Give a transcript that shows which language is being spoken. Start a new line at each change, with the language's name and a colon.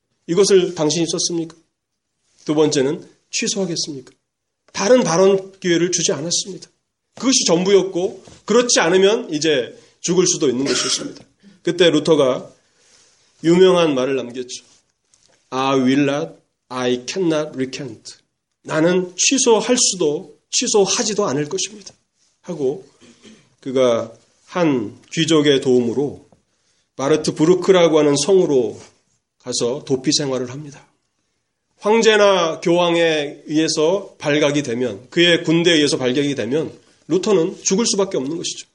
Korean: 이것을 당신이 썼습니까? 두 번째는 취소하겠습니까? 다른 발언 기회를 주지 않았습니다. 그것이 전부였고 그렇지 않으면 이제 죽을 수도 있는 것이었습니다. 그때 루터가 유명한 말을 남겼죠.
English: I will not, I cannot recant.
Korean: 나는 취소할 수도 취소하지도 않을 것입니다. 하고 그가 한 귀족의 도움으로 마르트 브루크라고 하는 성으로 가서 도피 생활을 합니다. 황제나 교황에 의해서 발각이 되면 그의 군대에 의해서 발각이 되면 루터는 죽을 수밖에 없는 것이죠.